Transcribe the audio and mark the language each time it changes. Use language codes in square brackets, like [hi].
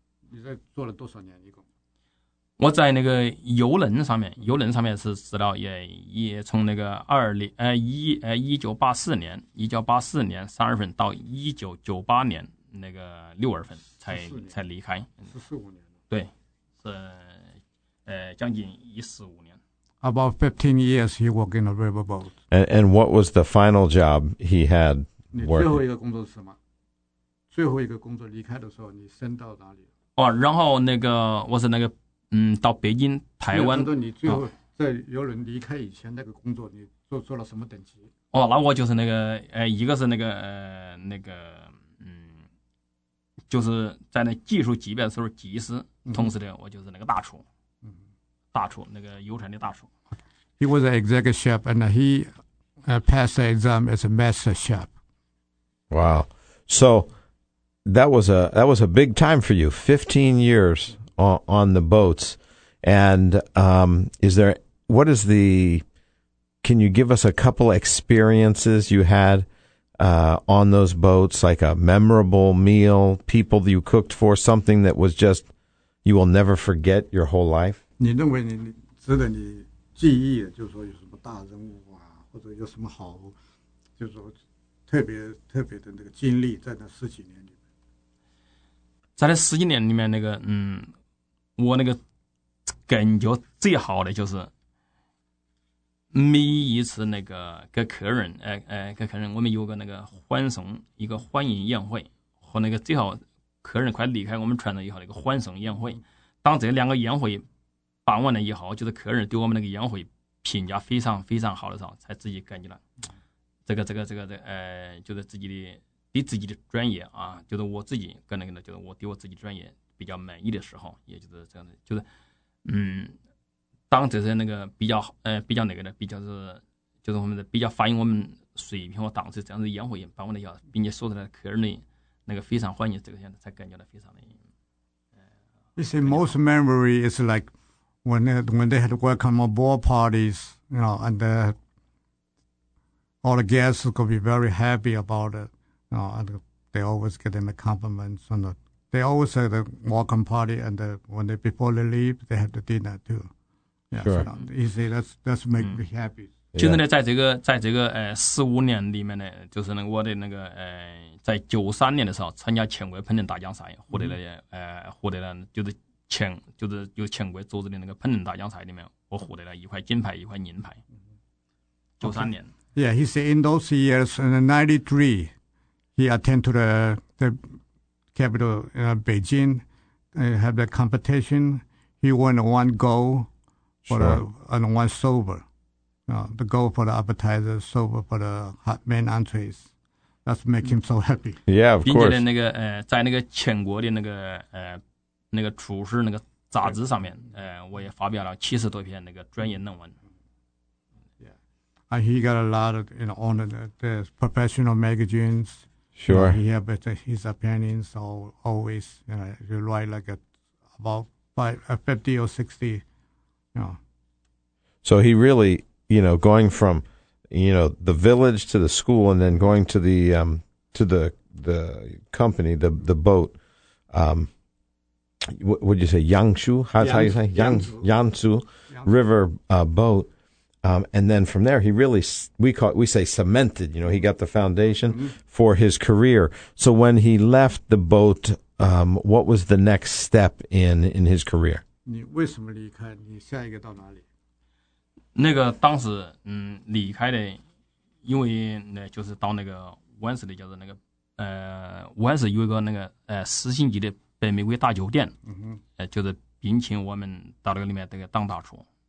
[zh] 你在做了多少年？我在那个游轮上面，游轮上面是知道也从那个1984年三月份到1998年那个六月份才离开， 14-15年，对，是将近15年。 [en] About 15 years he worked in a riverboat. And what was the final job he had working? [zh] 最后一个工作是什么？最后一个工作离开的时候，你升到哪里？哦，然后那个我是那个。到北京台湾。那你最后在游轮离开以前那个工作你做了什么等级？哦，那我就是那个一个是那个就是在那技术级别的时候技师，同时的我就是那个大厨。大厨，那个游船的大厨。 [en] He was an executive chef and he passed the exam as a master chef. Wow. So that was a big time for you. 15 years. On the boats, and can you give us a couple experiences you had on those boats, like a memorable meal, people you cooked for, something that was just you will never forget your whole life? [zh] 你认为你值得你记忆的，就是说有什么大人物啊，或者有什么好，就是说特别特别的那个经历，在那十几年里面，在那十几年里面，那个我那个感觉最好的就是每一次那个给客人，给客人，我们有个那个欢送，一个欢迎宴会，和那个最好客人快离开我们船了以后的一个欢送宴会。当这两个宴会办完了以后，就是客人对我们那个宴会评价非常非常好的时候，才自己感觉了这个，就是自己的对自己的专业啊，就是我自己跟那个，就是我对我自己专业。比较满意的时候，也就是这样的，就是，当这些那个比较比较那个的，比较是，就是我们的比较反映我们水平和档次这样的宴会办完了以后，并且说出来客人的那个非常欢迎，这个样子才感觉到非常的。 [en] You see, most memory is like when they had welcome ball parties, you know, and all the guests could be very happy about it, you know, and they always get them the compliments on the. They always had a welcome party, and when they before they leave, they have the dinner too. Yeah, sure. So, you see, that's make me happy. [zh] 就是呢，在这个四五年里面呢，就是呢，我的那个在93年的时候参加全国烹饪大奖赛，获得了获得了就是全国组织的那个烹饪大奖赛里面，我获得了一块金牌，一块银牌。 93年。 [en] Okay. Yeah, he said in those years, in 1993, he attended the. Capital Beijing, have the competition. He won one gold for and one silver. The gold for the appetizer, silver for the hot main entrees. That's make him so happy. Yeah, of course. [zh] 并且呢，那个在那个全国的那个那个厨师那个杂志上面，我也发表了70多篇那个专业论文。 [en] Yeah, and he got a lot of you know on the professional magazines. Sure. Yeah, he has his opinions always, you know, you write like about 50 or 60, you know. So he really, you know, going from, you know, the village to the school and then going to the company, the boat, what would you say, Yangshu? How you say? Yangshu River boat. And then from there, he really, we say cemented, you know, he got the foundation for his career. So when he left the boat, what was the next step in his career? [zh] 你为什么离开？你下一个到哪里？那个当时，离开的，因为呢，就是到那个温室的，就是那个，温室有一个那个，四星级的白玫瑰大酒店，就是聘请我们到那个里面这个当大厨。